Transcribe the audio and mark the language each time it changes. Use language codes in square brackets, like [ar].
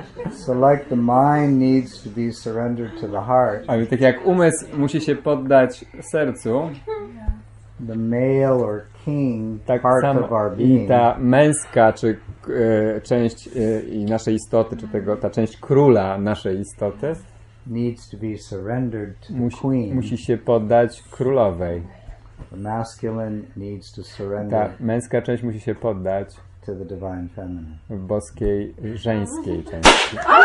[en] So like the mind needs to be surrendered to the heart. [pl] A tak jak umysł musi się poddać sercu. [en] The male or king part of our being. [pl] Ta męska czy część i naszej istoty, czy tego ta część króla naszej istoty [en] needs to be surrendered to the queen. [pl] Musi się poddać królowej. [en] The masculine needs to surrender. [pl] Ta męska część musi się poddać [en] to the divine feminine. [pl] W boskiej żeńskiej części.